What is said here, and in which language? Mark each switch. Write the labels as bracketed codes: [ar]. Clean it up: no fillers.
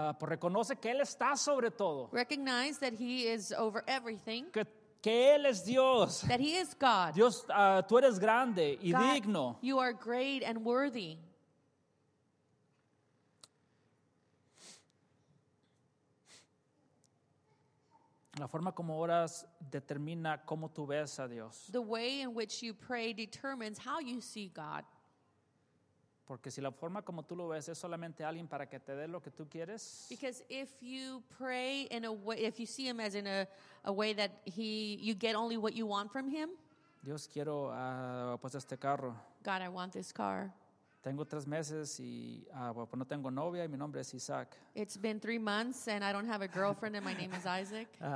[es] Pues reconoce que él está sobre todo. [en] Recognize that he is over everything. [es] Que él es Dios. [en] That he is God. [es] Dios, tú eres grande y [en] God, [es] digno. [en] You are great and worthy. [es] La forma como oras determina cómo tú ves a Dios. [en] The way in which you pray determines how you see God. [es] Porque si la forma como tú lo ves es solamente alguien para que te dé lo que tú quieres. [en] Because if you pray in a way, if you see him as in a way that he, you get only what you want from him. [es] Dios, quiero pues este carro. [en] God, I want this car. [es] Tengo tres meses y no tengo novia y mi nombre es Isaac. [en] It's been 3 months and I don't have a girlfriend and my name is Isaac.